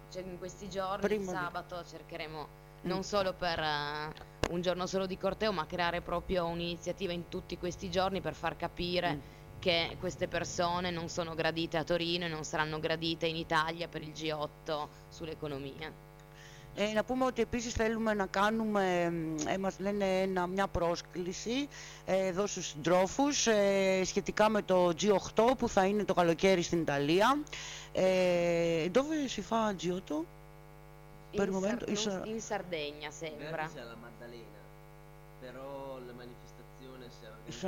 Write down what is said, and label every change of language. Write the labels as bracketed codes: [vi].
[it] Cioè, in questi giorni, prima sabato, cercheremo non solo per un giorno solo di corteo, ma creare proprio un'iniziativa in tutti questi giorni per far capire che queste persone non sono gradite a Torino e non saranno gradite in Italia per il G8 sull'economia. [el] Να πούμε ότι επίσης θέλουμε να κάνουμε, μας λένε μια πρόσκληση εδώ στους συντρόφους σχετικά με το G8 που θα είναι το καλοκαίρι στην Ιταλία. [it] Dove si fa G8? Per il momento in Sardegna sembra. Verso la Maddalena. Però la manifestazione si è